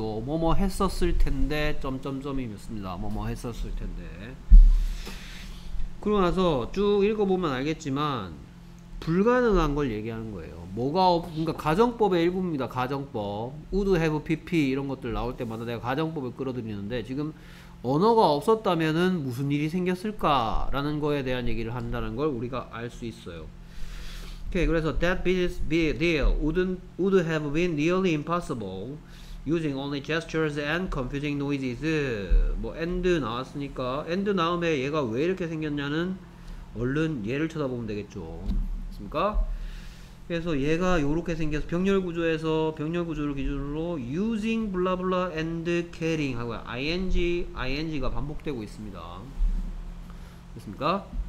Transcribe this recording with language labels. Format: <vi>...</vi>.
<ko>뭐뭐 했었을 텐데 점점점이었습니다. 뭐뭐 했었을 텐데 그러고 나서 쭉 읽어보면 알겠지만 불가능한 걸 얘기하는 거예요. 뭐가 그러니까 가정법의 일부입니다. 가정법 would have pp 이런 것들 나올 때마다 내가 가정법을 끌어들이는데 지금 언어가 없었다면은 무슨 일이 생겼을까? 라는 거에 대한 얘기를 한다는 걸 우리가 알 수 있어요. 오케이, 그래서</ko> <en>that deal would have been nearly impossible using only gestures and confusing noises.</en> <ko>뭐 and 나왔으니까 and 나음에 얘가 왜 이렇게 생겼냐는 얼른 얘를 쳐다보면 되겠죠. 맞습니까? 그래서 얘가 요렇게 생겨서 병렬구조에서 병렬구조를 기준으로</ko> <en>using blah blah and caring</en> <ko>하고 ing, ing가 반복되고 있습니다. 됐습니까?</ko>